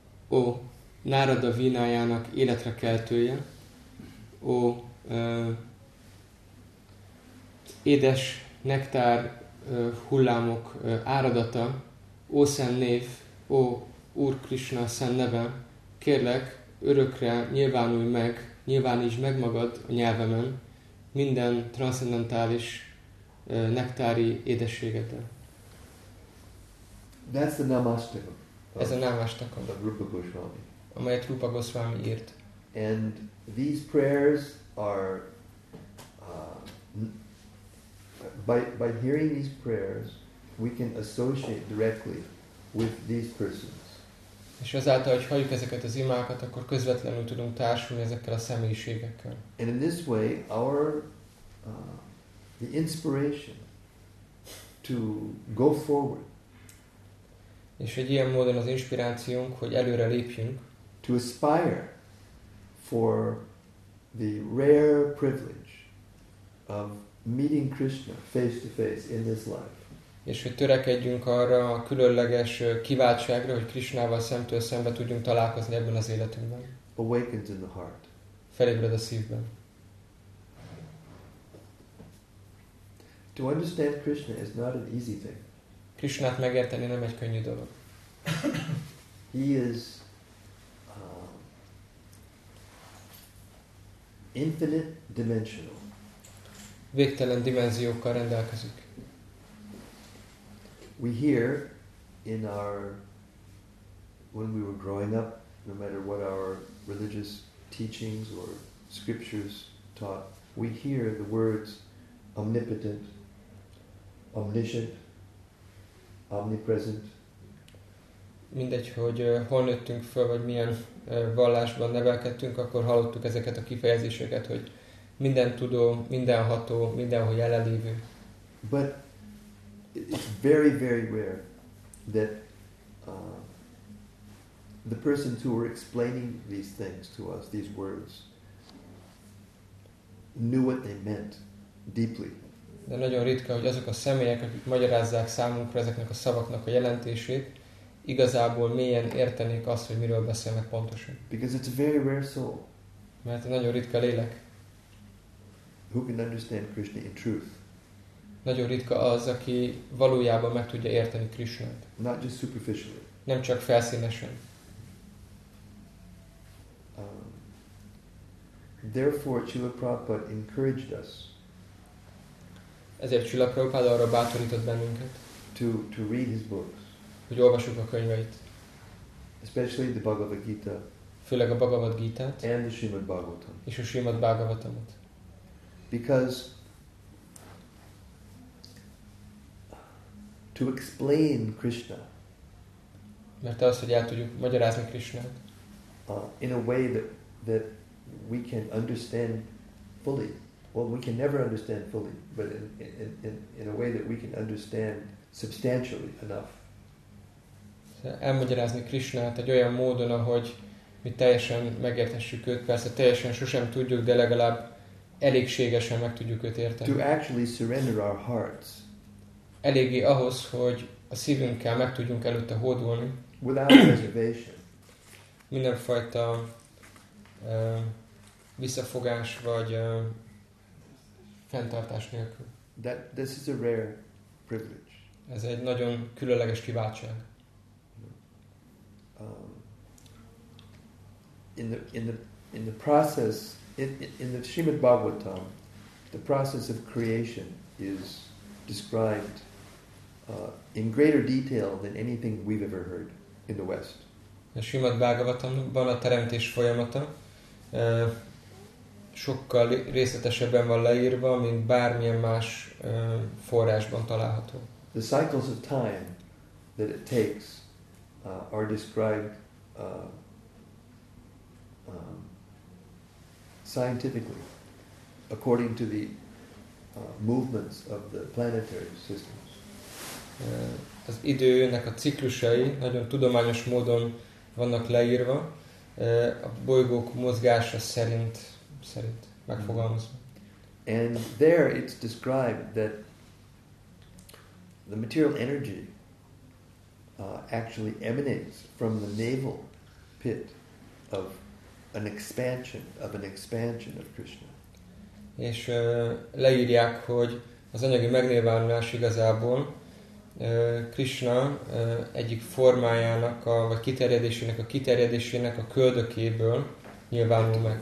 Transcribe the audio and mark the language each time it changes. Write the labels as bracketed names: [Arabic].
[Hungarian] O Narada Veenayanak életre keltője, ó, édes nektár hullámok áradata, ó szent név, ó Úr Krishna szent neve, kérlek, örökre nyilvánulj meg, nyilvánítsd meg magad a nyelvemen minden transzendentális nektári édességeddel. [English] That's the namastakam. [Hungarian] Ez a namastakam. [English] Of Rupa Goswami. [Hungarian] Amelyet Rupa Goswami írt. [English] And these prayers are by hearing these prayers we can associate directly with these persons. [Hungarian] És azáltal, hogy halljuk ezeket az imákat, akkor közvetlenül tudunk társulni ezekkel a személyiségekkel. [English] And in this way, our the inspiration to go forward. [Hungarian] És egy ilyen módon az inspirációnk, hogy előre lépjünk. [English] To aspire for the rare privilege of meeting Krishna face to face in this life. [Hungarian] És hogy törekedjünk arra a különleges kiváltságra, hogy Krishnával szemtől szembe tudjunk találkozni ebben az életünkben. [English] Awakens in the heart. [Hungarian] Felébred a szívben. [English] To understand Krishna is not an easy thing. [Hungarian] Krishnát megérteni nem egy könnyű dolog. [English] He is infinite dimensional. [Hungarian] Végtelen dimenziókkal rendelkezik. [English] We hear in our when we were growing up, no matter what our religious teachings or scriptures taught, we hear the words omnipotent, omniscient, omnipresent. [Hungarian] Mindegy, hogy hol nőttünk föl, vagy milyen vallásban nevelkedtünk, akkor hallottuk ezeket a kifejezéseket, hogy minden tudó, mindenható, mindenhol jelenlévő. [English] But it's very, very rare that the persons who were explaining these things to us, these words, knew what they meant deeply. [Hungarian] De nagyon ritka, hogy azok a személyek, akik magyarázzák számunkra ezeknek a szavaknak a jelentését, igazából mélyen értenék azt, hogy miről beszélnek pontosan. [English] Because it's a very rare soul. [Hungarian] Mert egy nagyon ritka lélek. [English] Who can understand Krishna in truth? [Hungarian] Nagyon ritka az, aki valójában meg tudja érteni Krishnát. [English] Not just superficially. [Hungarian] Nem csak felszínesen. [English] Therefore, Srila Prabhupada encouraged us. [Hungarian] Ezért Srila Prabhupada arra bátorított bennünket. [English] To read his books. [Hungarian] Hogy olvassuk a könyveit. [English] Especially the Bhagavad Gita. [Hungarian] Főleg a Bhagavad Gítát. [English] And the Srimad Bhagavatam. [Hungarian] És a Srimad Bhagavatamot. [English] Because to explain Krishna. [Hungarian] Mert az, hogy el tudjuk magyarázni Krishnát. [English] In a way that we can understand fully. Well, we can never understand fully, but in a way that we can understand substantially enough. [Hungarian] Elmagyarázni Krishnát egy olyan módon, ahogy mi teljesen megértessük őt, persze teljesen sosem tudjuk, de legalább elégségesen meg tudjuk őt érteni. [English] To actually surrender our hearts. [Hungarian] Eléggé ahhoz, hogy a szívünkkel meg tudjunk előtte hódolni. [English] Without reservation. [Hungarian] Mindenfajta visszafogás vagy fenntartás nélkül. [English] This is a rare privilege. [Hungarian] Ez egy nagyon különleges kiváltság. [English] In the process in the Srimad Bhagavatam, the process of creation is described in greater detail than anything we've ever heard in the West. [Hungarian] A Srimad Bhagavatamban a teremtés folyamata sokkal részletesebben van leírva, mint bármilyen más forrásban található. [English] The cycles of time that it takes are described scientifically, according to the movements of the planetary systems. [Hungarian] Az időnek a ciklusai nagyon tudományos módon vannak leírva, a bolygók mozgása szerint megfogalmazva. [English] And there it's described that the material energy actually emanates from the navel pit of an expansion of Krishna. [Hungarian] És leírják, hogy az anyagi megnyilvánulás igazából Krishna egyik formájának vagy kiterjedésének a köldökéből nyilvánul meg.